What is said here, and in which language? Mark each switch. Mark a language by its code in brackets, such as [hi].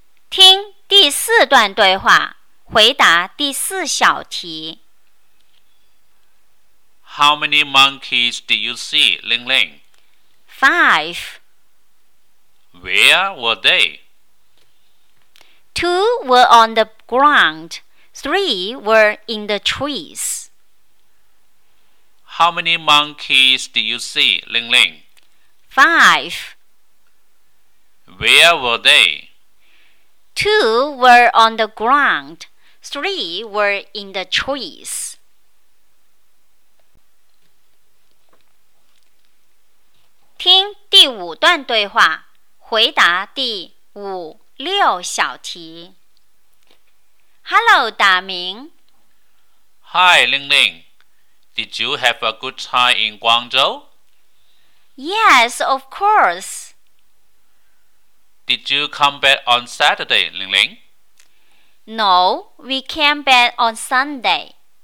[zh] 听第四段对话，回答第四小题。 [en] How many monkeys did you see, Ling Ling? Five. Where were they? Two were on the ground. Three were in the trees. How many monkeys did you see, Ling Ling? Five. Where were they? Two were on the ground. Three were in the trees. [zh] 听第五段对话，回答第五、六小题。 [en] Hello, Da Ming. Hi, Ling Ling. Did you have a good time in Guangzhou? Yes, of course. Did you come back on Saturday, Ling Ling? No, we came back on Sunday.